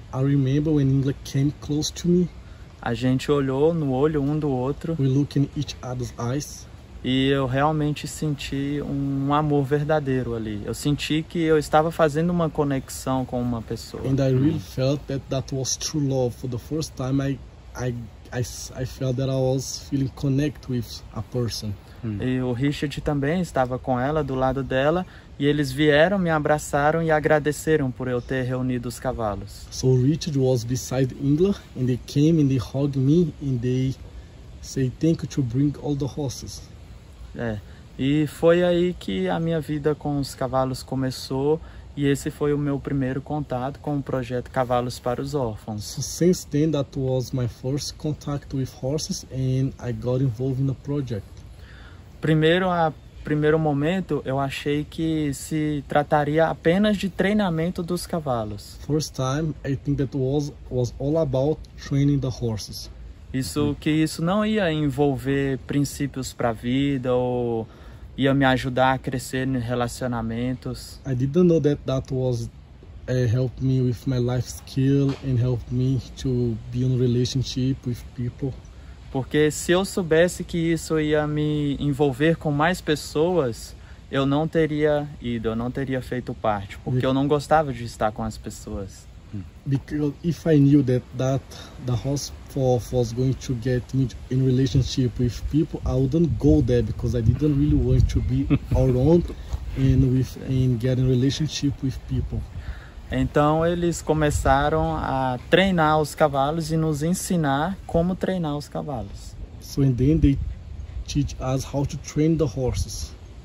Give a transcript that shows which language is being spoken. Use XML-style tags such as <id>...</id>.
<en>I remember when Ingla came close to me.</en> <pt>A gente olhou no olho um do outro.</pt> <en>We looked in each other's eyes.</en> <pt>E eu realmente senti um amor verdadeiro ali. Eu senti que eu estava fazendo uma conexão com uma pessoa.</pt> <en>And I really felt that was true love. For the first time I felt that I was feeling connected with a person.</en> <pt>E o Richard também estava com ela, do lado dela, e eles vieram, me abraçaram e agradeceram por eu ter reunido os cavalos.</pt> <en>So Richard was beside Ingla and they came and they hugged me and they say thank you to bring all the horses.</en> <pt>É, e foi aí que a minha vida com os cavalos começou, e esse foi o meu primeiro contato com o projeto Cavalos para os Órfãos.</pt> <en>So since then, that was my first contact with horses and I got involved in the project.</en> <pt>Primeiro momento, eu achei que se trataria apenas de treinamento dos cavalos.</pt> <en>First time, I think that was all about training the horses.</en> <pt>Isso, que isso não ia envolver princípios para a vida ou ia me ajudar a crescer em relacionamentos.</pt> <en>I didn't know that that was help me with my life skill and help me to be in relationship with people.</en> <pt>Porque se eu soubesse que isso ia me envolver com mais pessoas, eu não teria ido, eu não teria feito parte, porque eu não gostava de estar com as pessoas.</pt> <en>Because if I knew that the horse was going to get me in relationship with people, I wouldn't go there because I didn't really want to be around and get in relationship with people.</en> <pt>Então eles começaram a treinar os cavalos e nos ensinar como treinar os cavalos.</pt> <en>So and then they teach us how to train the horses.</en>